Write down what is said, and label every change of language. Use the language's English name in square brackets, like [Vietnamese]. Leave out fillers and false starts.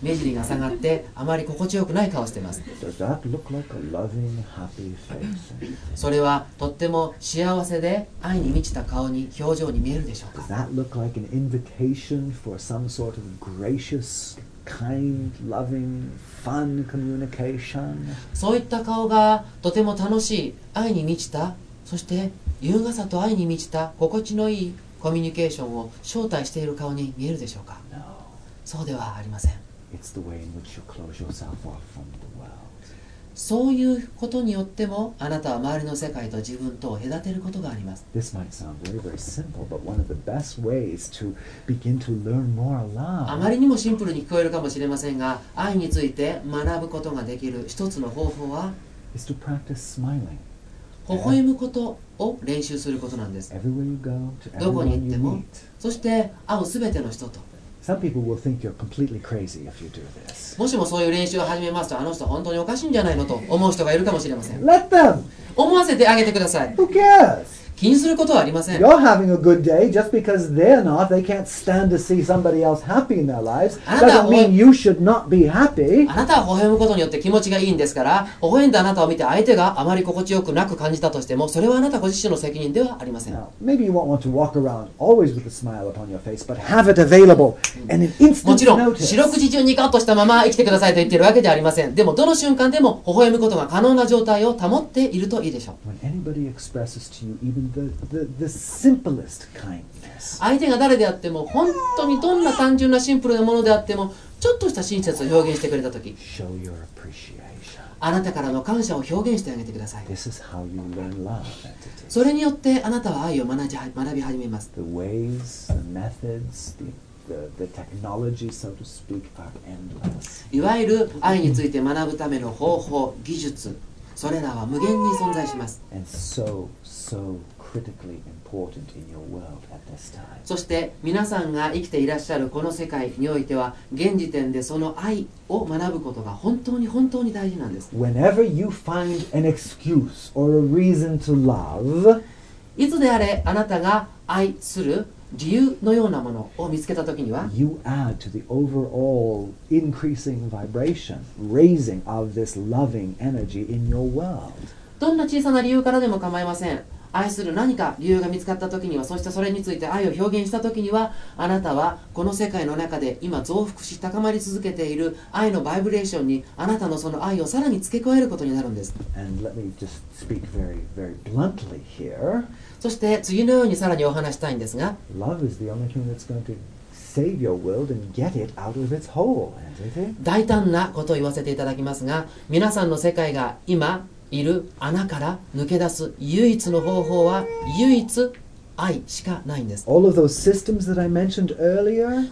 [Japanese] 目尻が下がってあまり心地よくない顔をしています。 [English] Does that look like a loving, happy face? [Japanese] それはとっても幸せで愛に満ちた顔に、表情に見えるでしょうか。 [English] Does that look like an invitation for some sort of graciouskind, loving, fun communication. [Japanese] そういった顔がとても楽しい、愛に満ちた、そして優雅さと愛に満ちた心地のいいコミュニケーションを招待している顔に見えるでしょうか。 [English] No. [Japanese] そうではありません。 [English] It's the way in which you close yourself off from the world. [Japanese] そういうことによってもあなたは周りの世界と自分とを隔てることがあります。 [English] This might sound very, very simple, but one of the best ways to begin to learn more love. [Japanese] あまりにもシンプルに聞こえるかもしれませんが、愛について学ぶことができる一つの方法は [English] is to practice smiling. [Japanese] 微笑むことを練習することなんです。 [English] Everywhere you go, to everyone you meet. [Japanese] どこに行っても、そして会うすべての人と。 [English] Some people will think you're completely crazy if you do this. [Japanese] もしもそういう練習を始めますと、あの人本当におかしいんじゃないのと思う人がいるかもしれません。 [English] Let them. [Japanese] 思わせてあげてください。 [English] Who cares? [Japanese] 気にすることはありません。 [English] You're having a good day just because they're not. They can't stand to see somebody else happy in their lives. Doesn't mean you should not be happy. [Japanese] あなたは微笑むことによって気持ちがいいんですから、微笑んだあなたを見て相手があまり心地よくなく感じたとしても、それはあなたご自身の責任ではありません。 [English] Now, maybe you won't want to walk around always with a smile upon your face, but have it available and an instant notice. [Japanese] もちろん、四六時中ニカッとしたまま生きてくださいと言っているわけではありません。でも、どの瞬間でも微笑むことが可能な状態を保っているといいでしょう。 [English] When anybody expresses to you evenThe simplest kindness. [Japanese] 相手が誰であっても、本当にどんな単純なシンプルなものであっても、ちょっとした親切を表現してくれたとき、 [English] Show your appreciation. [Japanese] あなたからの感謝を表現してあげてください。 [English] This is how you learn love. [Japanese] それによってあなたは愛を学び始めます。 [English] The ways, the methods, the the technology, so to speak, are endless. [Japanese] いわゆる愛について学ぶための方法、技術、それらは無限に存在します。 [English] And so, so critically important in your world at this time. [Japanese] そして皆さんが生きていらっしゃるこの世界においては、現時点でその愛を学ぶことが本当に本当に大事なんです。 [English] Whenever you find an excuse or a reason to love, [Japanese] いつであれあなたが愛する理由のようなものを見つけたときには、 [English] You add to the overall increasing vibration, raising of this loving energy in your world. [Japanese] どんな小さな理由からでも構いません。愛する何か理由が見つかったときには、そしてそれについて愛を表現したときには、あなたはこの世界の中で今増幅し高まり続けている愛のバイブレーションに、あなたのその愛をさらに付け加えることになるんです。 [English] And let me just speak very, very bluntly here. [Japanese] そして次のようにさらにお話したいんですが、 [English] Love is the only thing that's going to save your world and get it out of its hole, isn't it? [Japanese] 大胆なことを言わせていただきますが、皆さんの世界が今、いる穴から抜け出す唯一の方法は唯一愛しかないんです。 [English] All of those systems that I mentioned earlier,